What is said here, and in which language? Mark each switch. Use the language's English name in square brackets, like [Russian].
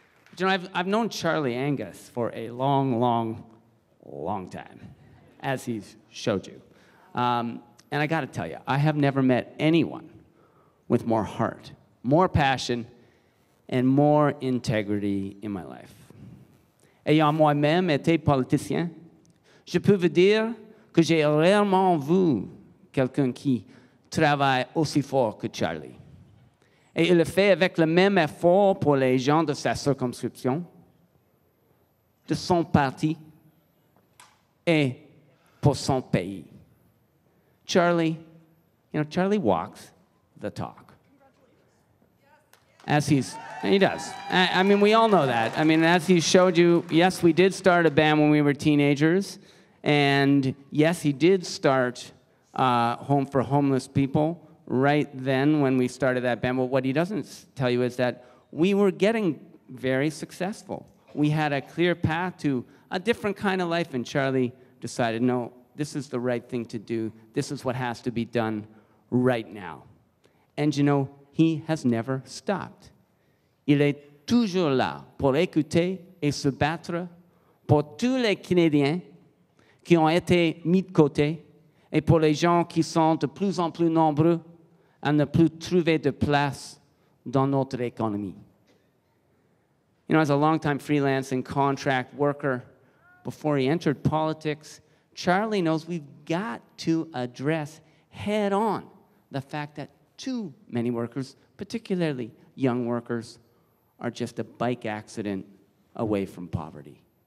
[English] But, you know, I've known Charlie Angus for a long, long, long time, as he's showed you. And I gotta tell you, I have never met anyone with more heart, more passion, and more integrity in my life. [French] Ayant moi-même été politicien, je peux vous dire que j'ai rarement vu quelqu'un qui travaille aussi fort que Charlie. Et il le fait avec le même effort pour les gens de sa circonscription, de son parti, et pour son pays. [English] Charlie, you know, Charlie walks the talk. As he's, and he does. I mean, we all know that. I mean, as he showed you, yes, we did start a band when we were teenagers. And yes, he did start Home for Homeless People right then when we started that band. But what he doesn't tell you is that we were getting very successful. We had a clear path to a different kind of life. And Charlie decided, no, this is the right thing to do. This is what has to be done right now. And you know, he has never stopped. [French] Il est toujours là pour écouter et se battre pour tous les Canadiens qui ont été mis de côté et pour les gens qui sont de plus en plus nombreux à ne plus trouver de place dans notre économie. [English] You know, as a longtime freelance and contract worker, before he entered politics, Charlie knows we've got to address head on the fact that too many workers, particularly young workers, are just a bike accident away from poverty.